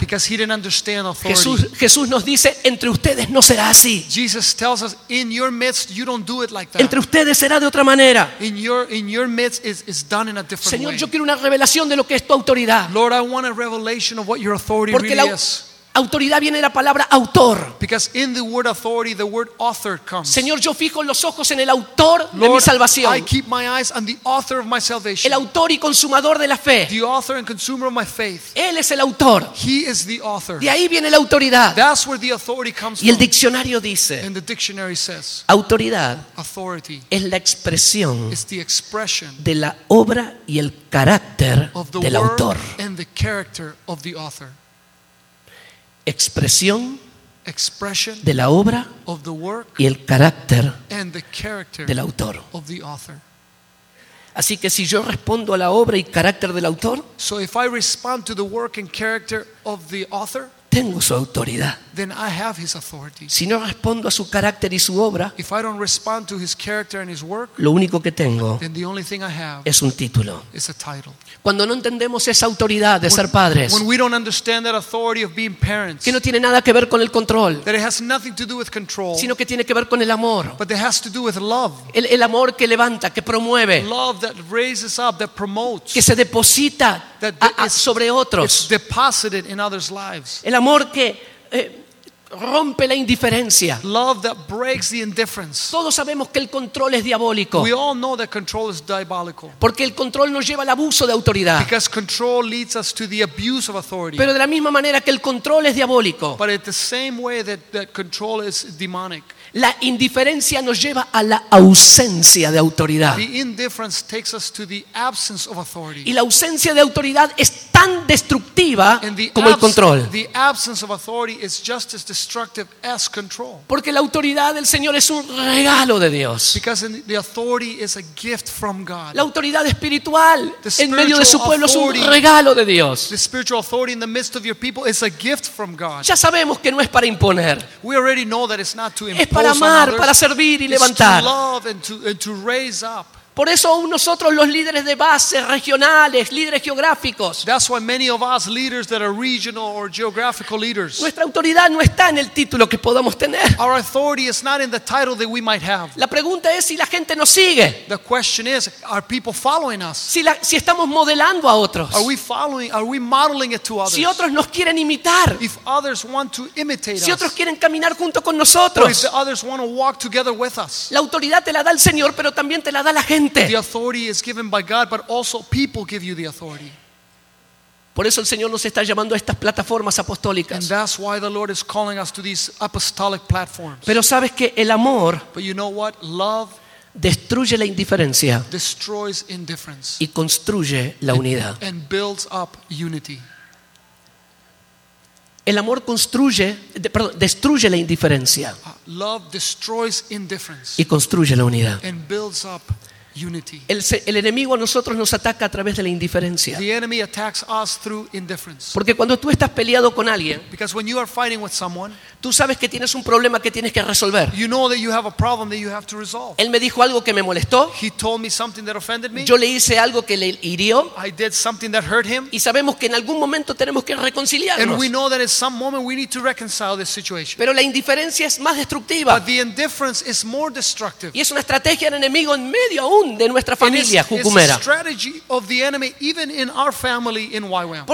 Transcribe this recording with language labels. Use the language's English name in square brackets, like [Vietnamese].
[Spanish] Jesús nos dice, entre ustedes no será así. [English] Jesus tells us, in your midst you don't do it like that. [Spanish] Entre ustedes será de otra manera. [English] In your midst is done in a different [Spanish] Señor, [English] way. [Spanish] Yo quiero una revelación de lo que es tu autoridad. [English] Lord, I want a revelation of what your authority really is. [Spanish] Autoridad viene de la palabra autor. [English] Because in the word authority, the word author comes. [Spanish] Señor, yo fijo los ojos en el autor de mi salvación. [English] Lord, I keep my eyes on the author of my salvation. [Spanish] El autor y consumador de la fe. [English] The author and consumer of my faith. [Spanish] Él es el autor. [English] He is the author. [Spanish] De ahí viene la autoridad. [English] That's where the authority comes from. [Spanish] Y el diccionario dice. [English] And the dictionary says. [Spanish] Autoridad. [English] Authority. [Spanish] Es la expresión. [English] It's the expression. [Spanish] De la obra y el carácter del autor. [English] Of the word and the character of the author. [Spanish] Expresión [English] expression [Spanish] de la obra [English] of the work [Spanish] y el carácter [English] and the character [Spanish] del autor. [English] Of the author. [Spanish] Así que si yo respondo a la obra y carácter del autor, [English] so if I respond to the work and character of the author, [Spanish] tengo su autoridad. [English] Then I have his authority. [Spanish] Si no respondo a su carácter y su obra, [English] if I don't respond to his character and his work, [Spanish] lo único que tengo, [English] then the only thing I have, [Spanish] es un título. [English] Is a title. [Spanish] Cuando no entendemos esa autoridad de ser padres, [English] when we don't understand that authority of being parents, [Spanish] que no tiene nada que ver con el control, [English] that it has nothing to do with control, [Spanish] sino que tiene que ver con el amor, [English] but it has to do with love, [Spanish] el amor que levanta, que promueve, [English] love that raises up, that promotes, [Spanish] que se deposita sobre otros, [English] it's deposited in others' lives, [Spanish] el amor que rompe la indiferencia. [English] Love that breaks the indifference. [Spanish] Todos sabemos que el control es diabólico. [English] We all know that control is diabolical. [Spanish] Porque el control nos lleva al abuso de autoridad. [English] Because control leads us to the abuse of authority. [Spanish] Pero de la misma manera que el control es diabólico. [English] But in the same way that control is demonic. [Spanish] La indiferencia nos lleva a la ausencia de autoridad. [English] The indifference takes us to the absence of authority. [Spanish] Y la ausencia de autoridad es tan destructiva como el control. [English] The absence of authority is just as destructive as control. [Spanish] Porque la autoridad del Señor es un regalo de Dios. [English] Because the authority is a gift from God. [Spanish] La autoridad espiritual en medio de su pueblo es un regalo de Dios. [English] The spiritual authority in the midst of your people is a gift from God. [Spanish] Ya sabemos que no es para imponer. [English] We already know that it's not to impose. [Spanish] Es para amar, para servir y levantar. [English] To love and to raise up. [Spanish] Por eso aún nosotros los líderes de base, regionales, líderes geográficos. [English] That's why many of us leaders that are regional or geographical leaders. [Spanish] Nuestra autoridad no está en el título que podamos tener. [English] Our authority is not in the title that we might have. [Spanish] La pregunta es si la gente nos sigue. [English] The question is, are people following us? [Spanish] Si estamos modelando a otros. [English] Are we following? Are we modeling it to others? [Spanish] Si otros nos quieren imitar. [English] If others want to imitate us. [Spanish] Si otros quieren caminar junto con nosotros. [English] Or if the others want to walk together with us. [Spanish] La autoridad te la da el Señor, pero también te la da la gente. [English] The authority is given by God, but also people give you the authority. [Spanish] Por eso el Señor nos está llamando a estas plataformas apostólicas. [English] And that's why the Lord is calling us to these apostolic platforms. [Spanish] Pero sabes que el amor, [English] but you know what? Love [Spanish] destruye la indiferencia, [English] destroys indifference, [Spanish] y construye la unidad, [English] and builds up unity. [Spanish] El amor construye, perdón, destruye la indiferencia, [English] love destroys indifference, [Spanish] y construye la unidad, [English] and builds up unity. [Spanish] El enemigo a nosotros nos ataca a través de la indiferencia. [English] The enemy attacks us through indifference. [Spanish] Porque cuando tú estás peleado con alguien, [English] because when you are fighting with someone, [Spanish] tú sabes que tienes un problema que tienes que resolver. [English] You know that you have a problem that you have to resolve. [Spanish] Él me dijo algo que me molestó. [English] He told me something that offended me. [Spanish] Yo le hice algo que le hirió. [English] I did something that hurt him. [Spanish] Y sabemos que en algún momento tenemos que reconciliarnos. [English] And we know that at some moment we need to reconcile this situation. [Spanish] Pero la indiferencia es más destructiva. [English] But the indifference is more destructive. [Spanish] Y es una estrategia del enemigo en medio aún de nuestra familia jucumera. [English] It's a strategy of the enemy even in our family in YWAM.